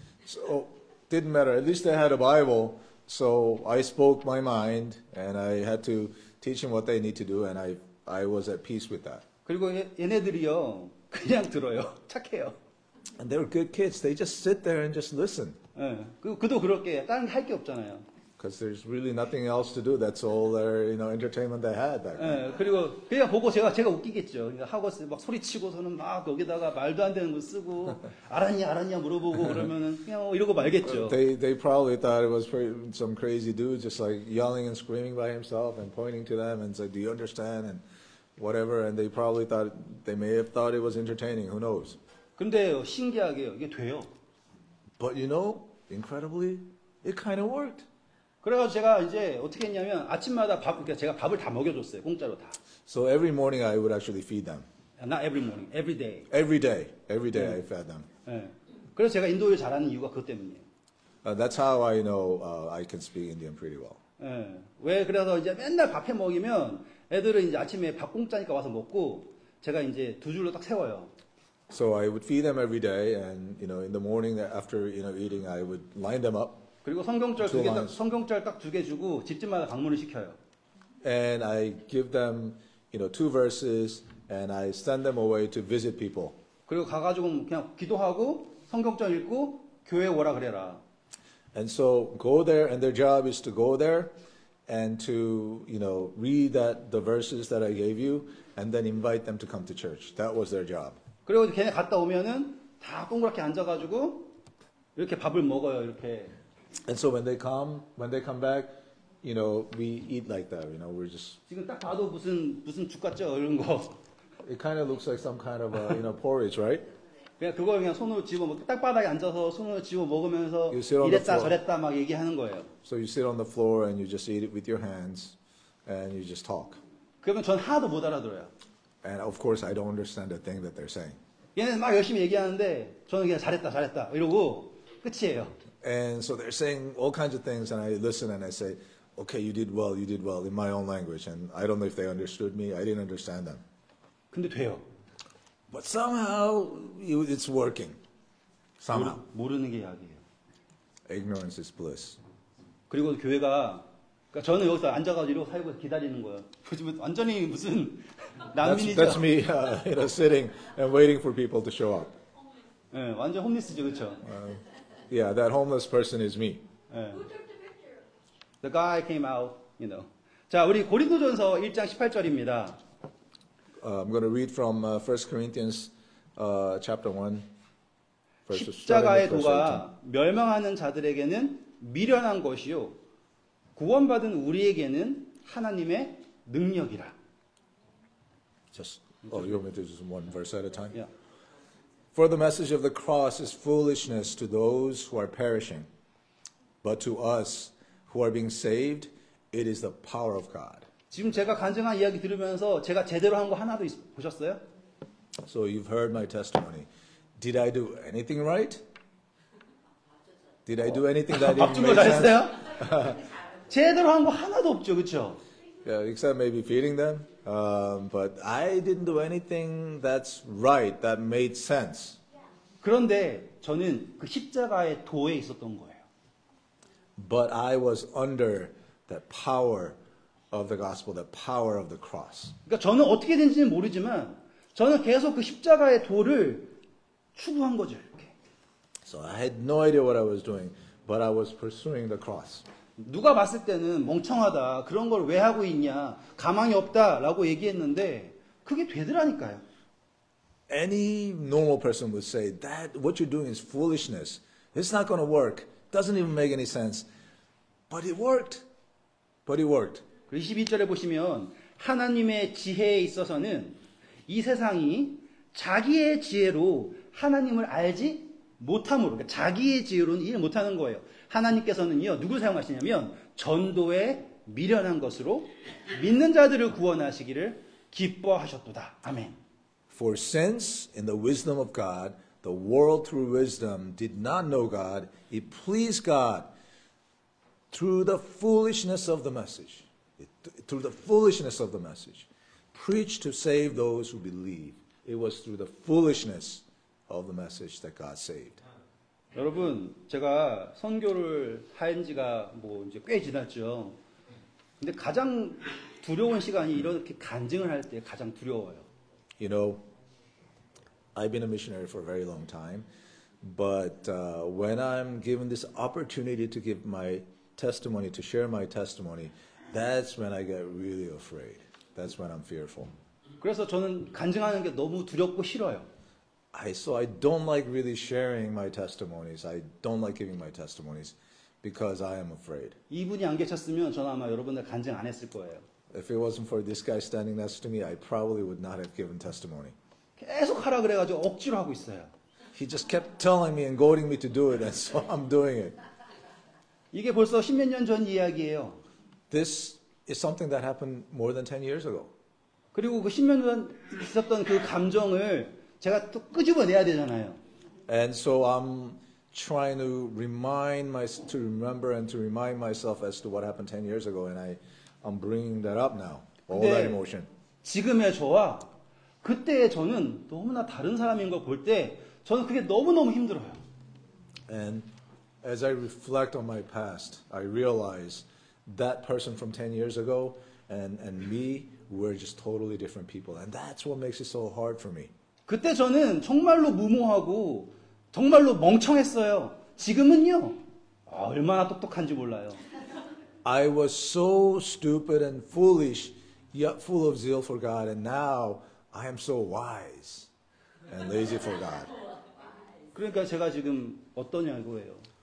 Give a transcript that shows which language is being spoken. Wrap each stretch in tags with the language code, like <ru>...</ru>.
<en>So didn't matter. At least they had a Bible. So I spoke my mind and I had to teach them what they need to do and I was at peace with that.</en> <ko>그리고 얘네들이요. 그냥 들어요. 착해요.</ko> <en>And they were good kids. They just sit there and just listen.</en> <ko>예, 그도 그렇게 다른 할 게 없잖아요.</ko> <en>Because there's really nothing else to do. That's all their, you know, entertainment they had back then.</en> <ko>예, 그리고 그냥 보고 제가 웃기겠죠. 하고 막 소리치고서는 막 여기다가 말도 안 되는 거 쓰고 알았냐 물어보고 그러면은 그냥 이러고 말겠죠.</ko> <en>They probably thought it was some crazy dude just like yelling and screaming by himself and pointing to them and said, "Do you understand?" and whatever. And they probably thought they may have thought it was entertaining. Who knows?</en> <ko>근데요, 신기하게요, 이게 돼요.</ko> <en>But you know, incredibly, it kind of worked.</en> <ko>그래서 제가 이제 어떻게 했냐면 아침마다 제가 밥을 다 먹여줬어요, 공짜로 다.</ko> <en>So every morning I would actually feed them. Not every morning, every day. Every day, every day,</en> <ko>네.</ko> <en>I fed them.</en> <ko>네. 그래서 제가 인도어를 잘하는 이유가 그것 때문이에요.</ko> <en>That's how I know I can speak Indian pretty well.</en> <ko>네. 왜 그래서 이제 맨날 밥해 먹이면 애들은 이제 아침에 밥 공짜니까 와서 먹고 제가 이제 두 줄로 딱 세워요.</ko> <en>So I would feed them every day, and you know, in the morning after you know eating, I would line them up.</en> <ko>그리고 성경절 두 개 성경절 딱 두 개 주고 집집마다 방문을 시켜요.</ko> <en>And I give them, you know, two verses, and I send them away to visit people.</en> <ko>그리고 가가지고 그냥 기도하고 성경절 읽고 교회 오라 그래라.</ko> <en>And so go there, and their job is to go there, and to, you know, read that the verses that I gave you and then invite them to come to church. That was their job.</en> <ko>그리고 걔네 갔다 오면은 다 동그랗게 앉아 가지고 이렇게 밥을 먹어요. 이렇게.</ko> <en>And so when they come back, you know, we eat like that, you know. We're just</en> <ko>지금 딱 봐도 무슨 죽 같죠? 이런 거.</ko> <en>It kind of looks like some kind of a, you know, porridge, right?</en> <ko>그냥 그거 그냥 손으로 집어 먹고 딱 바닥에 앉아서 손으로 집어 먹으면서 이랬다 저랬다 막 얘기하는 거예요.</ko> <en>So you sit on the floor and you just eat it with your hands and you just talk.</en> <ko>그러면 전 하나도 못 알아들어요.</ko> <en>And of course I don't understand a thing that they're saying.</en> <ko>얘네 막 열심히 얘기하는데 저는 그냥 잘했다 이러고 끝이에요.</ko> <en>And so they're saying all kinds of things and I listen and I say, okay, you did well in my own language and I don't know if they understood me. I didn't understand them.</en> <ko>근데 돼요.</ko> <en>But somehow it's working. Somehow.</en> <ko>모르는 게 약이에요.</ko> <en>Ignorance is bliss.</en> <ko>그리고 교회가 그러니까 저는 여기서 앉아가지고 이러고 살고 기다리는 거예요. 지금 완전히 무슨 난민이죠.</ko> <en>That's me in a sitting and waiting for people to show up.</en> <ko>예, 네, 완전 홈리스죠, 그렇죠?</ko> <en>Yeah, that homeless person is me.</en> <ko>네.</ko> <en>The guy came out, you know.</en> <ko>자, 우리 고린도전서 1장 18절입니다.</ko> <en>I'm going to read from 1 Corinthians chapter 1 verse 18.</en> <ko>십자가의 도가 멸망하는 자들에게는 미련한 것이요 구원받은 우리에게는 하나님의 능력이라.</ko> <en>Just oh, you want me to just one verse at a time? Yeah. For the message of the cross is foolishness to those who are perishing, but to us who are being saved, it is the power of God.</en> <ko>지금 제가 간증한 이야기 들으면서 제가 제대로 한 거 하나도 보셨어요?</ko> <en>So you've heard my testimony. Did I do anything right? Did I do anything that didn't make sense?</en> <ko>잘했어요? 제대로 한 거 하나도 없죠, 그쵸?</ko> <en>Yeah, except maybe feeding them. But I didn't do anything that's right, that made sense.</en> <ko>그런데 저는 그 십자가의 도에 있었던 거예요.</ko> <en>But I was under that power of the gospel, the power of the cross.</en> <ko>그러니까 저는 어떻게 된지는 모르지만 저는 계속 그 십자가의 도를 추구한 거죠, 이렇게.</ko> <en>So I had no idea what I was doing, but I was pursuing the cross.</en> <ko>누가 봤을 때는 멍청하다. 그런 걸 왜 하고 있냐? 가망이 없다라고 얘기했는데 그게 되더라니까요.</ko> <en>Any normal person would say that what you're doing is foolishness. It's not going to work. Doesn't even make any sense. But it worked.</en> <ko>22절에 보시면 하나님의 지혜에 있어서는 이 세상이 자기의 지혜로 하나님을 알지 못함으로 그러니까 자기의 지혜로는 이해 못하는 거예요. 하나님께서는요 누구 사용하시냐면 전도에 미련한 것으로 믿는 자들을 구원하시기를 기뻐하셨도다. 아멘.</ko> <en>For since in the wisdom of God the world through wisdom did not know God, it pleased God through the foolishness of the message. Through the foolishness of the message, preached to save those who believe. It was through the foolishness of the message that God saved.</en> <ko>여러분, 제가 선교를 한 지가 뭐 이제 꽤 지났죠. 근데 가장 두려운 시간이 이렇게 간증을 할 때 가장 두려워요.</ko> <en>You know, I've been a missionary for a very long time, but when I'm given this opportunity to give my testimony, to share my testimony. That's when I get really afraid. That's when I'm fearful.</en> <ko>그래서 저는 간증하는 게 너무 두렵고 싫어요.</ko> <en>I don't like really sharing my testimonies. I don't like giving my testimonies because I am afraid.</en> <ko>이분이 안 계셨으면 저는 아마 여러분들 간증 안 했을 거예요.</ko> <en>If it wasn't for this guy standing next to me, I probably would not have given testimony.</en> <ko>계속 하라 그래 가지고 억지로 하고 있어요.</ko> <en>He just kept telling me and goading me to do it and so I'm doing it.</en> <ko>이게 벌써 십몇 년 전 이야기예요.</ko> <en>This is something that happened more than 10 years ago.</en> <ko>그리고 그 10년 전 있었던 그 감정을 제가 또 끄집어내야 되잖아요.</ko> <en>And so I'm trying to remind myself as to what happened 10 years ago and I'm bringing that up now. All that emotion.</en> <ko>지금의 저와 그때의 저는 너무나 다른 사람인 걸 볼 때 저는 그게 너무너무 힘들어요.</ko> <en>And as I reflect on my past, I realize that person from 10 years ago and me were just totally different people and that's what makes it so hard for me.</en> <ko>그때 저는 정말로 무모하고 정말로 멍청했어요. 지금은요. 얼마나 똑똑한지 몰라요.</ko> <en>I was so stupid and foolish, yet full of zeal for God, and now I am so wise and lazy for God.</en> <ko>그러니까 제가 지금 어떠냐고요.</ko>